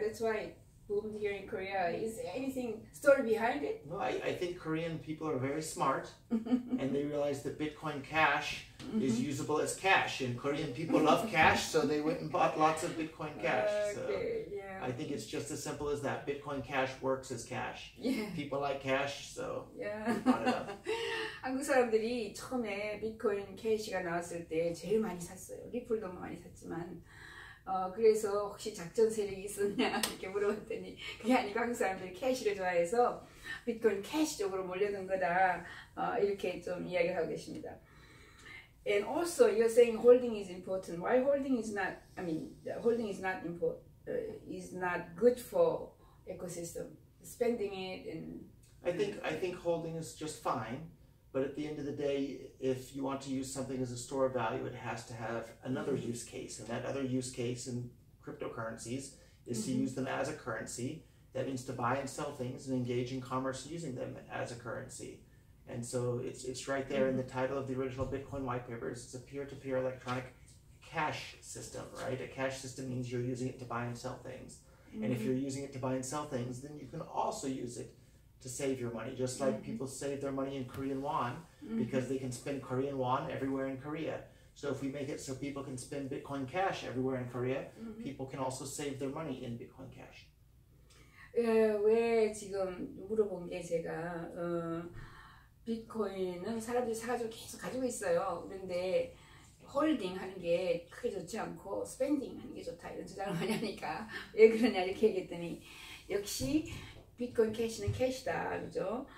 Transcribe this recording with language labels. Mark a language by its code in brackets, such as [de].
[en] That's why it boomed here in Korea. Is there anything, story behind it? No, I think Korean people are very smart. And they realized that Bitcoin Cash mm-hmm. is usable as cash, and Korean people love cash, so they went and bought lots of Bitcoin Cash. Okay, so yeah. I think it's just as simple as that. Bitcoin Cash works as cash. Yeah. People like cash, so yeah. we bought it up. [ko] 한국 사람들이 처음에 비트코인 캐시가 나왔을 때 제일 많이 샀어요. 리플도 많이 샀지만 그래서 혹시 작전 세력이 있었냐 이렇게 물어봤더니 그게 아니고 한국 사람들이 캐시를 좋아해서 비트코인 캐시 쪽으로 몰려든 거다. 이렇게 좀 이야기를 하고 계십니다. [en] And also you're saying holding is important. Why holding is not, I mean, holding is not important, is not good for ecosystem. Spending it and... I think holding is just fine. But at the end of the day, if you want to use something as a store of value, it has to have another mm-hmm. use case. And that other use case in cryptocurrencies is mm-hmm. to use them as a currency. That means to buy and sell things and engage in commerce using them as a currency. And so it's right there mm-hmm. in the title of the original Bitcoin white papers. It's a peer-to-peer electronic cash system, right? A cash system means you're using it to buy and sell things. Mm-hmm. And if you're using it to buy and sell things, then you can also use it to save your money, just like mm-hmm. people save their money in Korean won mm-hmm. because they can spend Korean won everywhere in Korea. So if we make it so people can spend Bitcoin Cash everywhere in Korea, mm-hmm. people can also save their money in Bitcoin Cash. [ko] 왜 지금 물어본 게 제가 비트코인은 사람들이 사가지고 계속 가지고 있어요. 그런데 홀딩 하는 게 크게 좋지 않고 스펜딩 하는 게 좋다 이런 주장을 많이 하니까 왜 그러냐 이렇게 얘기했더니 역시 비트코인 캐시는 캐시다 그죠?